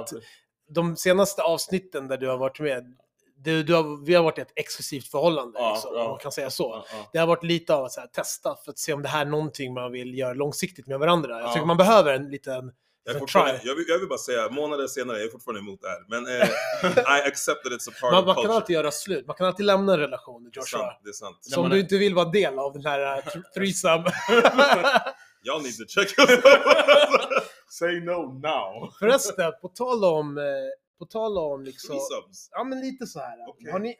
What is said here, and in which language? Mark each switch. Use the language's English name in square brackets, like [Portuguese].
[Swedish] att de senaste avsnitten där du har varit med... Vi har varit i ett exklusivt förhållande, om man kan säga så. Det har varit lite av att så här, testa för att se om det här är någonting man vill göra långsiktigt med varandra. Jag tycker man behöver en liten try. Jag vill bara säga, månader senare, jag är fortfarande emot det här. Men [English] I accept that it's a part [Swedish] man [English] of culture. [Swedish] Man kan alltid göra slut. Man kan alltid lämna en relation, Joshua. Det är sant. Så om du inte vill vara del av den här threesome. [English] Y'all need to check. Say no now. [Swedish] Förresten, på tal om liksom [English] threesomes. [Swedish] Ja, men lite så här. Okay.